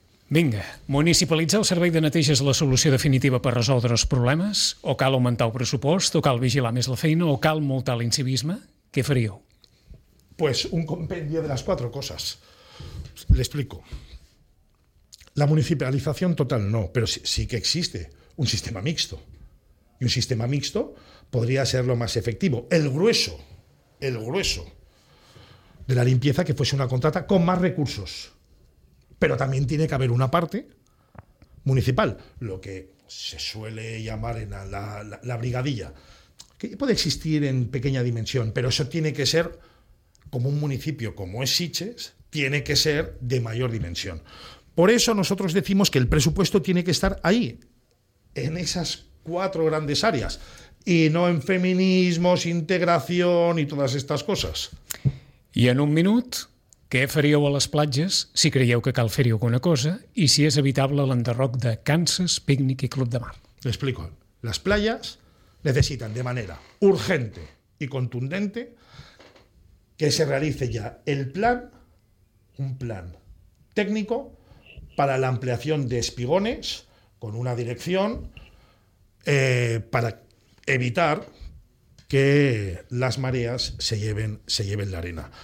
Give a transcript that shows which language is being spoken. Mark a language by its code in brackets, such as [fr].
[ca] Vinga, municipalitzar el servei de neteja és la solució definitiva per resoldre els problemes? O cal augmentar el pressupost? O cal vigilar més la feina? O cal multar l'incivisme? Què faríeu? [es] Pues un compendio de las 4 cosas. Le explico. La municipalización total no, pero sí que existe un sistema mixto. Y un sistema mixto podría ser lo más efectivo. El grueso de la limpieza que fuese una contrata con más recursos. Pero también tiene que haber una parte municipal, lo que se suele llamar en la brigadilla, que puede existir en pequeña dimensión, pero eso tiene que ser, como un municipio como es Sitges, tiene que ser de mayor dimensión. Por eso nosotros decimos que el presupuesto tiene que estar ahí, en esas 4 grandes áreas, y no en feminismos, integración y todas estas cosas. Y en 1 minuto, [ca] què faríeu a les platges si creieu que cal fer-hi alguna cosa i si és evitable l'enderroc de Kansas, Pícnic i Club de Mar? L'explico. Les platges necessiten [es] de manera urgente i contundente que se realice ya el plan, un plan técnico para la ampliación de espigones con una dirección para evitar que las mareas se lleven la arena.